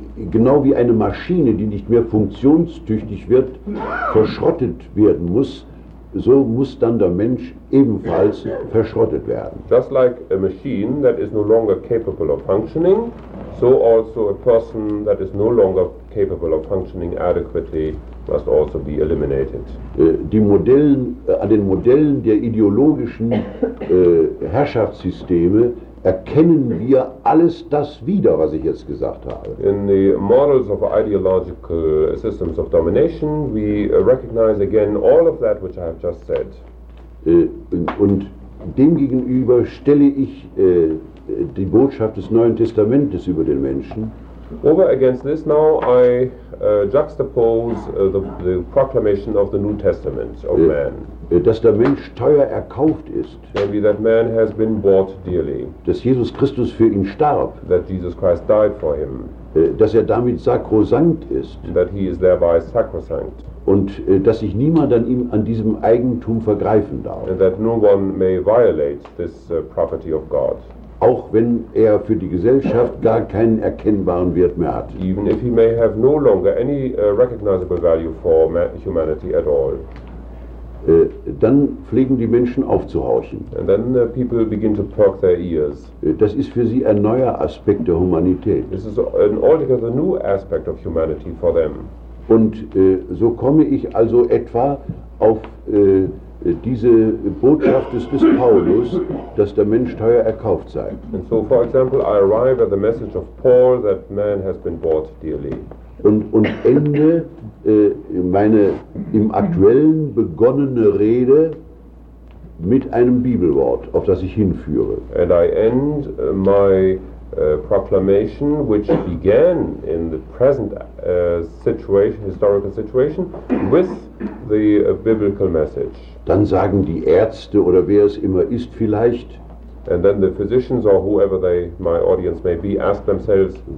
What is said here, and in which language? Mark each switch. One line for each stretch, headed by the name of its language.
German: Genau wie eine Maschine, die nicht mehr funktionstüchtig wird, verschrottet werden muss, so muss dann der Mensch ebenfalls verschrottet werden.
English: Just like a machine that is no longer capable of functioning, so also a person that is no longer capable of functioning adequately must also be eliminated.
German: An den Modellen der ideologischen Herrschaftssysteme erkennen wir alles das wieder, was ich jetzt gesagt habe.
English: In the models of ideological systems of domination, we recognize again all of that which I have just said.
German: Und demgegenüber stelle ich die Botschaft des Neuen Testamentes über den Menschen.
English: Over against this now, I juxtapose the proclamation of the New Testament of man.
German: Dass der Mensch teuer erkauft ist.
English: Namely that man has been bought dearly.
German: Dass Jesus Christus für ihn starb.
English: That Jesus Christ died for him.
German: Dass er damit sakrosankt ist.
English: That he is thereby sacrosanct.
German: Und dass sich niemand an ihm, an diesem Eigentum vergreifen darf.
English: And that no one may violate this property of God.
German: Auch wenn er für die Gesellschaft gar keinen erkennbaren Wert mehr hat.
English: Even if he may have no longer any recognizable value for humanity at all.
German: Dann pflegen die Menschen aufzuhorchen.
English: And then the people begin to perk their ears.
German: Das ist für sie ein neuer Aspekt der Humanität.
English: This is an altogether new aspect of humanity for them.
German: Und so komme ich also etwa auf diese Botschaft des Paulus, dass der Mensch teuer erkauft sei.
English: And so, for example, I arrive at the message of Paul that man has been bought dearly.
German: Und ende meine im Aktuellen begonnene Rede mit einem Bibelwort, auf das ich hinführe.
English: And I end my proclamation, which began in the present situation, historical situation, with the biblical message.
German: Dann sagen die Ärzte oder wer es immer ist vielleicht.
English: And then the physicians or whoever they, my audience may be, ask themselves.